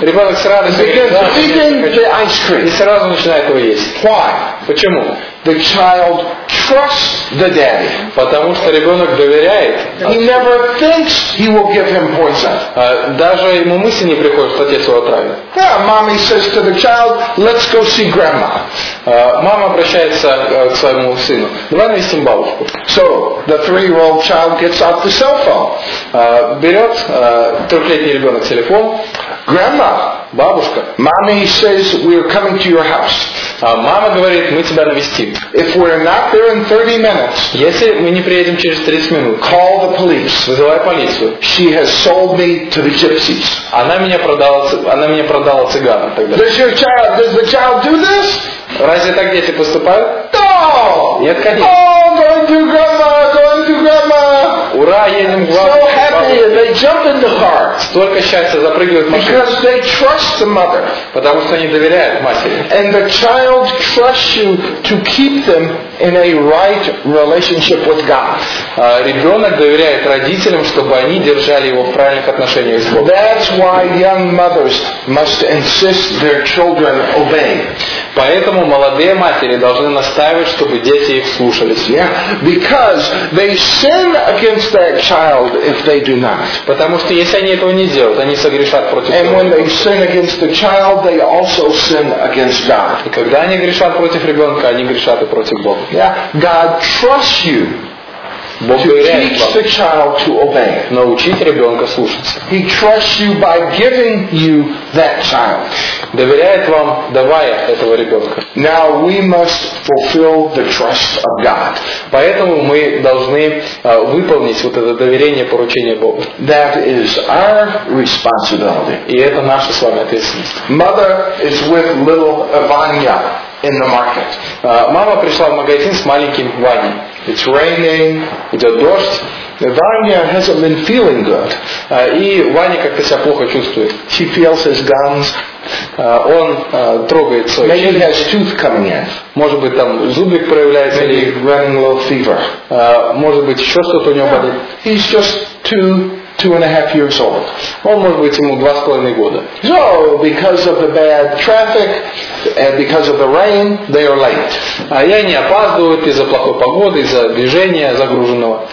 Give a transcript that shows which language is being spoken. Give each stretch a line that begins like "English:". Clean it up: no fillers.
Russian: Ребенок сразу начинает. И сразу начинает его есть.
English: Why?
Russian: Почему?
English: The child trusts the daddy.
Russian: Потому что ребенок доверяет.
English: He never thinks he will give him poison.
Russian: Даже ему мысль не приходит, что отец его отравит.
English: Yeah, mommy says to the child, "Let's go see grandma."
Russian: Мама обращается к своему сыну. Давай навестим бабушку.
English: So the three-year-old child gets out the cell phone.
Russian: Берет трехлетний ребенок телефон.
English: Grandma,
Russian: бабушка.
English: Mommy says, "We are coming to your house."
Russian: Мама говорит, мы тебя навестим.
English: If we're not there in 30 minutes,
Russian: если мы не приедем через 30 минут,
English: call the police.
Russian: Вызывай полицию.
English: She has sold me to the gypsies.
Russian: Она меня продала цыганам тогда.
English: Does the child do this?
Russian: Разве так дети поступают?
English: No!
Russian: Нет, конечно.
English: Oh, going to grandma.
Russian: Ура, едем к бабушке.
English: So happy, they jump in the car.
Russian: Столько счастья, запрыгивают в машину.
English: Because they trust the mother.
Russian: Потому что они доверяют матери.
English: And the child trusts you to keep them in a right relationship with God.
Russian: Ребенок доверяет родителям, чтобы они держали его в правильных отношениях с Богом.
English: That's why young mothers must insist their children obey.
Russian: Поэтому молодые матери должны настаивать, чтобы дети их слушались.
English: Yeah, because they sin against that child if they do not.
Russian: Потому что если они этого не сделают, они согрешат против Бога.
English: And when they sin against the child, they also sin against God.
Russian: И когда они грешат против ребенка, они грешат и против Бога.
English: Yeah, God trusts you
Russian: Бог
English: to teach
Russian: вам.
English: The child to obey.
Russian: Научить ребенка слушаться.
English: He trusts you by giving you that child.
Russian: Доверяет вам, давая этого ребенка.
English: Now we must fulfill the trust of God.
Russian: Поэтому мы должны выполнить вот это доверение, поручение Богу.
English: That is our responsibility.
Russian: И это наша с вами ответственность.
English: Mother is with little Ivania. In the market.
Russian: Мама пришла в магазин с маленьким Ваней.
English: It's raining.
Russian: Идет дождь.
English: Ваня hasn't been feeling good.
Russian: И Ваня как-то себя плохо чувствует.
English: She feels his gums.
Russian: Он трогает свой
English: Maybe he has tooth coming in.
Russian: Может быть там зубик проявляется.
English: Maybe
Russian: или
English: running low fever.
Russian: Может быть еще что-то у него
English: yeah.
Russian: болит.
English: He's just two and a half years old.
Russian: Он может быть ему 2.5 года.
English: So because of the bad traffic and because of the rain, they are late.
Russian: А я не опаздывают из-за плохой погоды, из-за движения загруженного.